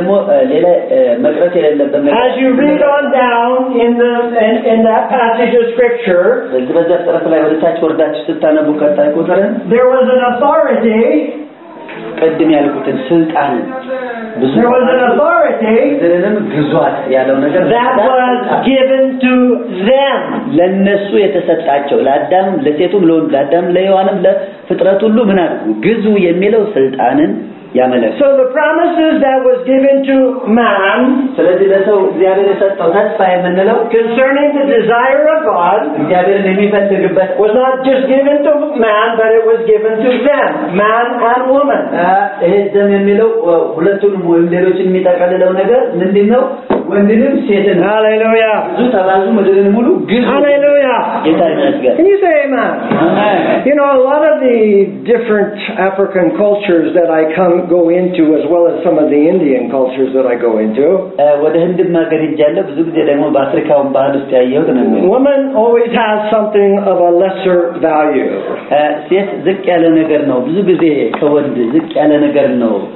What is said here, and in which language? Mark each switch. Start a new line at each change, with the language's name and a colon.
English: as you read on down in the in that passage of scripture, there was an authority. There was an authority that was given to them.
Amharic: ለነሱ የተሰጣቸው ለአዳም ለሴቱም ለአዳም ለሔዋንም ለፍጥረቱ ሁሉ ምን አድርጉ ግዙ የሚለው ስልጣንን ያመለከተ
English: So the promises that was given to man
Amharic: ስለዚህ ለሰው እግዚአብሔር የሰጠው ተስፋ የምንለው
English: concerning the desire of God
Amharic: እግዚአብሔርን የሚፈልግበት
English: was not just given to man but it was given to them man and woman
Amharic: እህደም የሚለው ሁለቱንም ወንደሮችን የሚጠቀልለው ነገር ምንድነው ወንድንም ሴትን ሃሌሉያ ብዙ ተባዙ ምድርን ሙሉ ግዙ ሃሌሉያ ጌታ ይመስገን
English: Can you say amen? Amen. You know a lot of the different African cultures that I go into as well as some of the Indian cultures that I go into.
Amharic: ወደ ህንድ ማገር ይጃለ ብዙ ጊዜ ደግሞ በአፍሪካውን ባህል ውስጥ ያየው ተነመ
English: Woman always has something of a lesser value.
Amharic: ሴት ዝቅ ያለ ነገር ነው ብዙ ጊዜ ከወንድ ዝቅ ያለ ነገር ነው